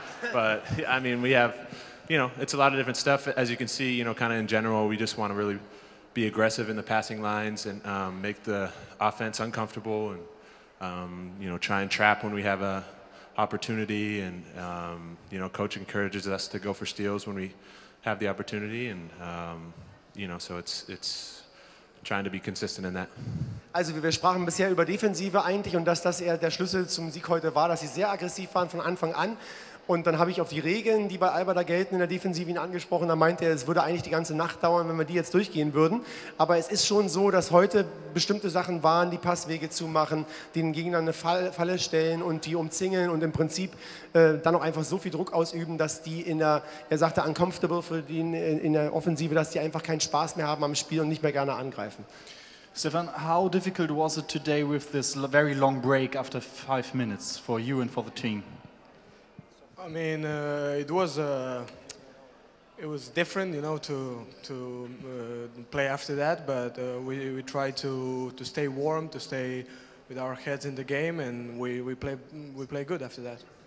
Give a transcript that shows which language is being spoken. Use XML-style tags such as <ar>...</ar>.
<en>But, I mean, we have, you know, it's a lot of different stuff. As you can see, you know, kind of in general, we just want to really be aggressive in the passing lines and make the offense uncomfortable and, you know, try and trap when we have an opportunity. And, you know, coach encourages us to go for steals when we have the opportunity. And, you know, so it's trying to be consistent in that.</en> <de>Also wir sprachen bisher über Defensive eigentlich und dass das eher der Schlüssel zum Sieg heute war, dass sie sehr aggressiv waren von Anfang an. Und dann habe ich auf die Regeln, die bei Alba da gelten, in der Defensive ihn angesprochen. Da meinte er, es würde eigentlich die ganze Nacht dauern, wenn wir die jetzt durchgehen würden. Aber es ist schon so, dass heute bestimmte Sachen waren, die Passwege zumachen, den Gegner eine Falle stellen und die umzingeln und im Prinzip dann auch einfach so viel Druck ausüben, dass die in der, er sagte, uncomfortable für die in der Offensive, dass die einfach keinen Spaß mehr haben am Spiel und nicht mehr gerne angreifen.</de> <en>Stefan, how difficult was it today with this very long break after 5 minutes for you and for the team? I mean, it was different, you know, to play after that. But we tried to stay warm, to stay with our heads in the game, and we play good after that.</en>